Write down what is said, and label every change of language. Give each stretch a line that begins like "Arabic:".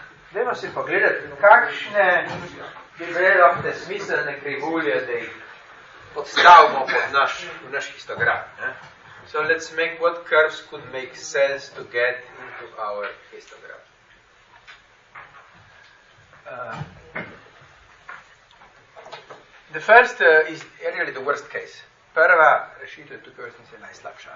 Slovenian: Zdaj pa si pogledati, kakšne prerohte smiselne krivulje, da jih odstavimo pod naš, v naš histogram. Eh?
English: So let's make what curves could make sense to get into our histogram. The first is really the worst case.
Slovenian: Prva rešitev tukaj je najslabša.